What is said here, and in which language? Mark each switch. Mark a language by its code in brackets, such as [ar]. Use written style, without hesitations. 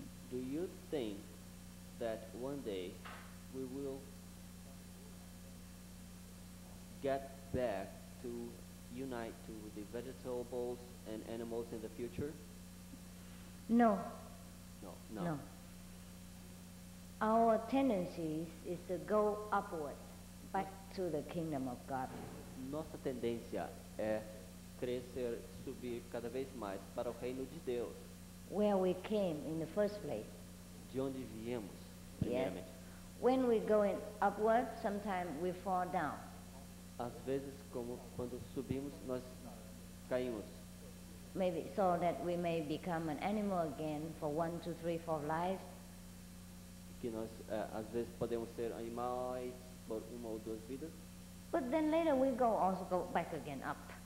[en] Do you think that one day we will get back to unite to the vegetables and animals in the future? No. No, no. No. Our tendency is to go upward, back to the kingdom of God. [pt] Nossa tendência é crescer, subir cada vez mais para o reino de Deus. [en] Where we came in the first place. [pt] De onde viemos, primeiramente. [en] Yes. When we going upward, sometimes we fall down. [pt] Às vezes, como quando subimos, nós caímos. [en] Maybe so that we may become an animal again for 1, 2, 3, 4 lives. [pt] Que nós às vezes podemos ser animais por uma ou duas vidas. [en] But then later we go also go back again up.